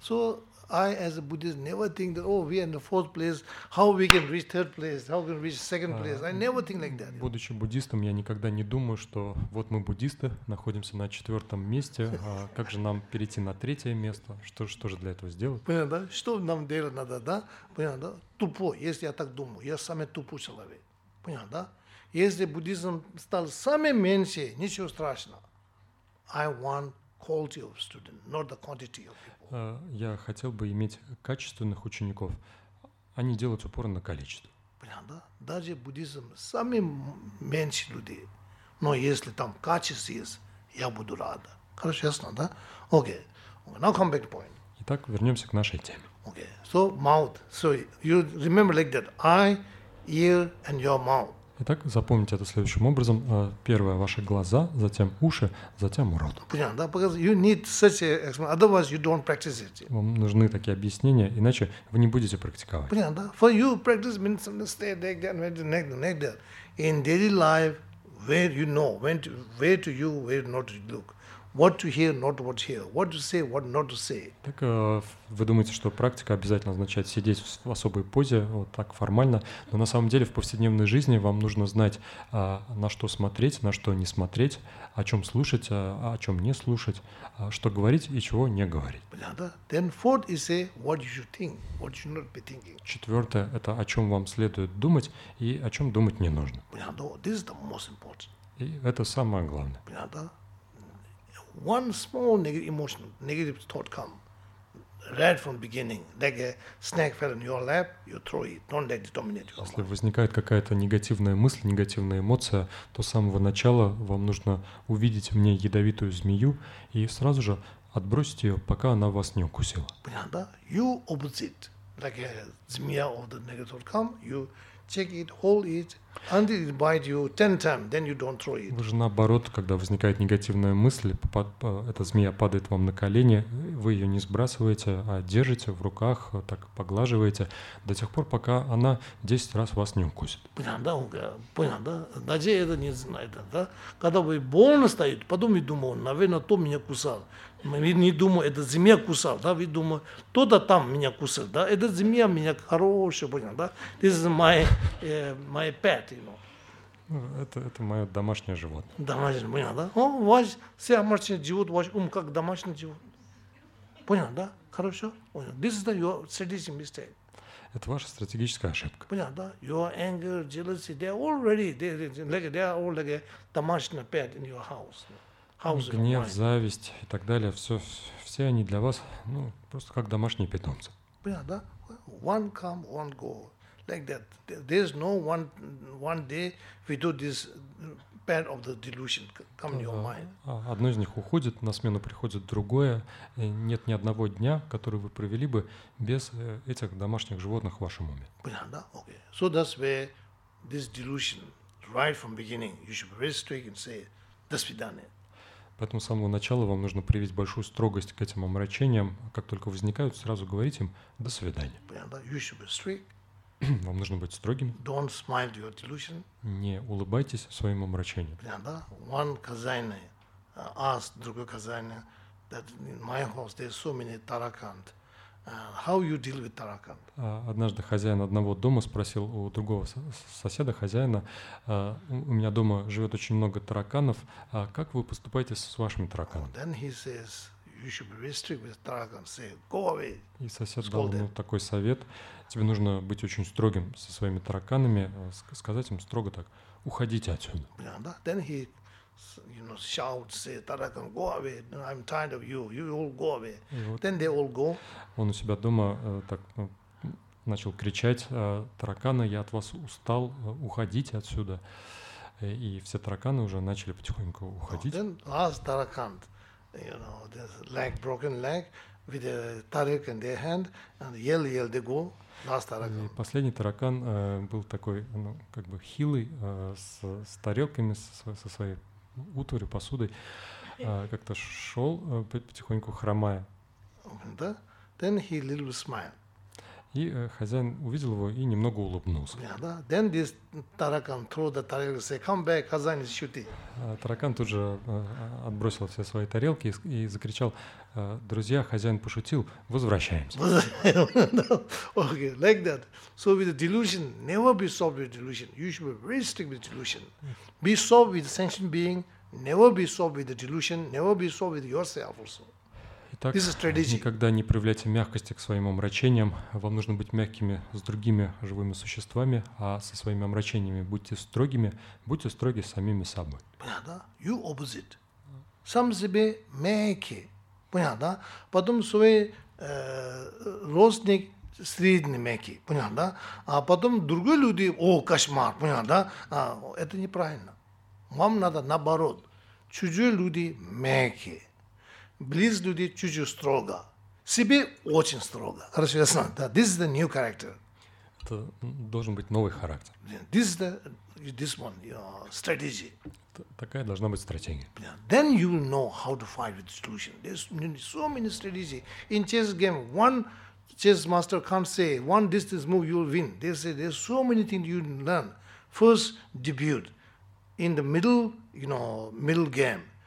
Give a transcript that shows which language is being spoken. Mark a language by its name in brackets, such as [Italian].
[English] So I, as a Buddhist, never think that, oh, we are in the fourth place, how we can reach third place, how we can reach second place. I never think like that. [Russian] Будучи буддистом, я никогда не думаю, что вот мы буддисты, находимся на четвертом месте, как же нам перейти на третье место, что же для этого сделать? Понятно, да? Что нам делать надо, да? Понятно, да? Тупо, если я так думаю, я самый тупой человек. Понятно, да? Если буддизм стал самым меньше, ничего страшного. [English] I want quality of student, not the quantity of people. [Russian] Я хотел бы иметь качественных учеников, а не делать упор на количество. Понятно, да? Даже буддизм сами меньше людей, но если там качество есть, я буду рада. Хорошо, ясно, да? Окей. [English] Okay. Now come back to point. [Russian] Итак, вернемся к нашей теме. Окей. [English] Okay. So mouth. So you remember like that. Eye, ear, and your mouth. [Russian] Итак, запомните это следующим образом. Первое – ваши глаза, затем уши, затем рот. [English] You need such a, otherwise you don't practice it. [Russian] Вам нужны такие объяснения, иначе вы не будете практиковать. [English] For you, practice means to stay there. In daily life, where you know, when to, where to you, where not to look. What to hear, not what to hear. What to say, what not to say. [Russian] Так вы думаете, что практика обязательно означает сидеть в особой позе, вот так формально. Но на самом деле в повседневной жизни вам нужно знать, на что смотреть, на что не смотреть, о чем слушать, о чем не слушать, что говорить и чего не говорить. [English] Then fourth is say what you should think, what you should not be thinking. [Russian] Четвертое – это о чем вам следует думать и о чем думать не нужно. [English] This is the most important. [Russian] И это самое главное. Понятно? [English] One small negative emotion, negative thought come right from the beginning, like a snake fell in your lap, you throw it, don't let it dominate your mind. [Russian] Если возникает какая-то негативная мысль, негативная эмоция, то с самого начала вам нужно увидеть в ней ядовитую змею и сразу же отбросить ее, пока она вас не укусила. Понятно? [English] You opposite, like a змея of the negative thought come, you take it, hold it, until it bite you 10 times, then you don't throw it. [Russian] Вы же наоборот, когда возникает негативная мысль, эта змея падает вам на колени, вы ее не сбрасываете, а держите в руках, так поглаживаете, до тех пор, пока она 10 раз вас не укусит. Понятно, да? Даже это не знает, да? Когда вы больно стоит, потом вы думаете, наверное, то меня кусал. Вы не думаете, это змея кусал, да? Вы думаете, кто-то там меня кусал, да? Это змея меня хорошая, понятно, да? [English] This is my pet. [Russian] Это мое домашнее животное. Домашнее, понятно, да? О, ваш, все домашние животные, ваш ум как домашний животный. Понятно, да? Хорошо? Понятно. [English] This is the, your strategic mistake. [Russian] Это ваша стратегическая ошибка. Понятно, да? [English] Your anger, jealousy, they are already, they are all like a домашний pet in your house. House. [Russian] Гнев, зависть и так далее, все они для вас, ну, просто как домашние питомцы. Понятно, да? [English] One come, one go. Like that, there's no one day we do this pair of the delusion come in your mind. [Russian] Одно из них уходит, на смену приходит другое. Нет ни одного дня, который вы провели бы без этих домашних животных в вашем уме. Понятно? Okay. [English] So that's where this delusion, right from beginning, you should be very strict and say, "That's we done it." [Russian] Поэтому с самого начала вам нужно привить большую строгость к этим омрачениям. Как только возникают, сразу говорить им "До свидания." Понятно? [English] You should be strict. [Russian] Вам нужно быть строгим. [English] Don't smile to your delusion. [Russian] Не улыбайтесь своим омрачением. Понятно, да? [English] One kazaina asked другой kazaina that in my house there's so many tarakant. How you deal with tarakant? [Russian] Однажды хозяин одного дома спросил у другого соседа хозяина, у меня дома живет очень много тараканов, как вы поступаете с вашими тараканами? [English] Then he says, you should be very strict with tarakant. Say, go away. [Russian] И сосед дал ему такой совет. Тебе нужно быть очень строгим со своими тараканами, сказать им строго так: уходите отсюда. Понятно? [English] Then he, you know, shout, say, "Tarakan, go away! I'm tired of you. You all go away." [Russian] Вот. [English] Then they all go. [Russian] Он у себя дома так начал кричать: "Тараканы, я от вас устал, уходите отсюда!" И все тараканы уже начали потихоньку уходить. [English] Then last tarakan, you know, there's leg, broken leg, with a tarak in their hand, and yell, they go. [Russian] И последний таракан был такой, ну, как бы хилый, с тарелками, со своей утварью, посудой, как-то шел потихоньку хромая. [English] Then he little smile. [Russian] И хозяин увидел его и немного улыбнулся. [English] Yeah, да? Then this таракан threw the tarak and say, "Come back, kazan is shooting." [Russian] Таракан тут же отбросил все свои тарелки и закричал: "Друзья, хозяин пошутил, возвращаемся." [English] Okay, like that. So with the delusion, never be soft with delusion. You should be very strict with delusion. Be soft with sentient being. Never be soft with the delusion. Never be soft with yourself also. [Russian] Итак, никогда не проявляйте мягкости к своим омрачениям. Вам нужно быть мягкими с другими живыми существами, а со своими омрачениями будьте строгими. Будьте строги с самими собой. Понятно? [English] You opposite. [Russian] Сам себе мягкий. Понятно? Потом свой родственник средний мягкий. Понятно? А потом другие люди, о, кошмар. Понятно? Это неправильно. Вам надо наоборот. Чужие люди мягкие. Близкие люди чуть-чуть строго. Себе очень строго. Хорошо, ясно? [English] This is the new character. [Russian] это должен быть новый характер. [English] This is the this one your strategy. [Russian] Такая должна быть стратегия. [English] Then you know how to fight with solution. There's so many strategies in chess game. One chess master can't say one distance move you'll win. They say there's so many things you learn. First debut in the middle, you know, middle game.